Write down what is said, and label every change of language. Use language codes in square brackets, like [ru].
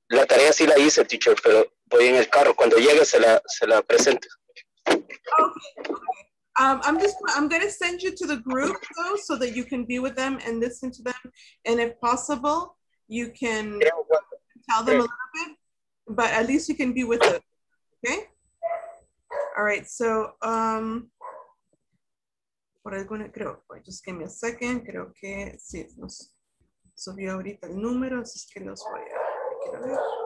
[es] La tarea sí la hice, teacher, pero voy en el carro. Cuando llegue, se la presento. Okay. [en] I'm going to send you to the group, though, so that you can be with them and listen to them. And if possible, you can tell them a little bit, but at least you can be with them, okay? All right, so, [es] por alguna, creo, [en] just give me a second, [es] creo que, sí, nos subió ahorita el número, así que los voy a, quiero ver.